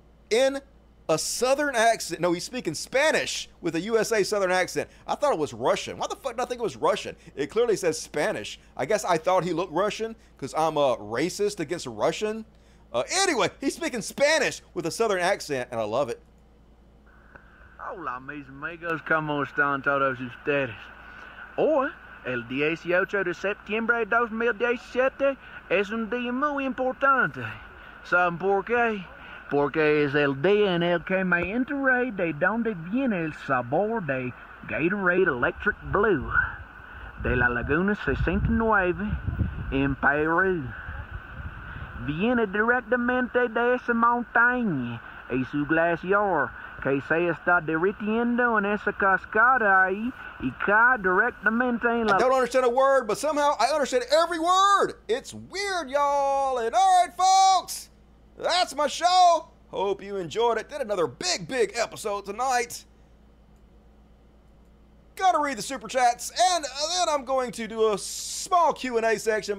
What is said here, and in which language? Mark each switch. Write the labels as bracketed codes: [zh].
[en] in a southern accent. No, he's speaking Spanish with a USA southern accent. I thought it was Russian. Why the fuck did I think it was Russian? It clearly says Spanish. I guess I thought he looked Russian because I'm a racist against Russian. Anyway, he's speaking Spanish with a southern accent, and I love it. [es] Hola, mis amigos. ¿Cómo están todos ustedes? Hoy, el 18 de septiembre de 2017, es un día muy importante. ¿Saben por qué? Porque es el día en el que me enteré de donde viene el sabor de Gatorade Electric Blue de la Laguna 69 en Perú. Viene directamente de esa montaña y su glaciar que se está derritiendo en esa cascada ahí y cae directamente en la... [en] I don't understand a word, but somehow I understand every word. It's weird, y'all. And all right, folks, that's my show. Hope you enjoyed it. Did another big episode tonight. Gotta read the super chats, and then I'm going to do a small Q&A section.